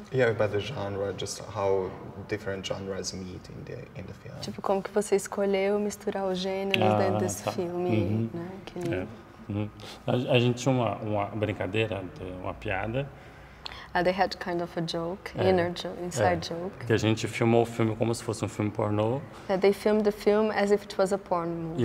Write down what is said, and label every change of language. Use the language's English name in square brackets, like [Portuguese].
[English] about the genre, just how different genres meet in the film. [Portuguese] Tipo, como que você escolheu misturar os gêneros dentro desse filme, né? Que nem... A gente tinha uma brincadeira, uma piada. [English] They had kind of a joke, inner joke, inside joke. [Portuguese] Que a gente filmou o filme como se fosse um filme pornô. [English] That they filmed the film as if it was a porn movie.